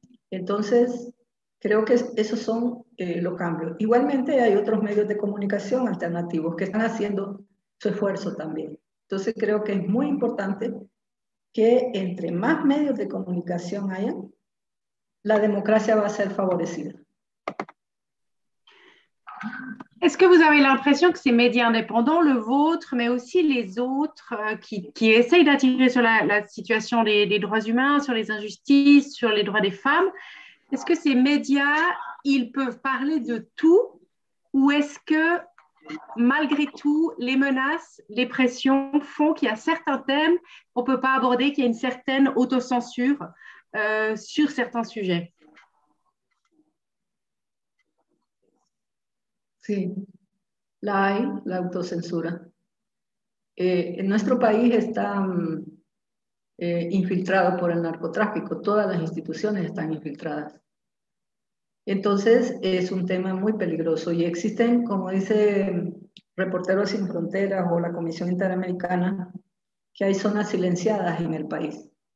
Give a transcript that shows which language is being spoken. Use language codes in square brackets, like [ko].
[es] Entonces, creo que esos son los cambios. Igualmente, hay otros medios de comunicación alternativos que están haciendo su esfuerzo también. Entonces, creo que es muy importante que entre más medios de comunicación haya, la democracia va a ser favorecida. [fr] Est-ce que vous avez l'impression que ces médias indépendants, le vôtre, mais aussi les autres qui essayent d'attirer sur la situation des droits humains, sur les injustices, sur les droits des femmes, est-ce que ces médias, ils peuvent parler de tout ou est-ce que malgré tout, les menaces, les pressions font qu'il y a certains thèmes qu'on ne peut pas aborder, qu'il y a une certaine autocensure sur certains sujets ? [es] Sí, la hay, la autocensura. En nuestro país está infiltrado por el narcotráfico, todas las instituciones están infiltradas. Entonces, es un tema muy peligroso y existen, como dice Reporteros Sin Fronteras o la Comisión Interamericana, que hay zonas silenciadas en el país.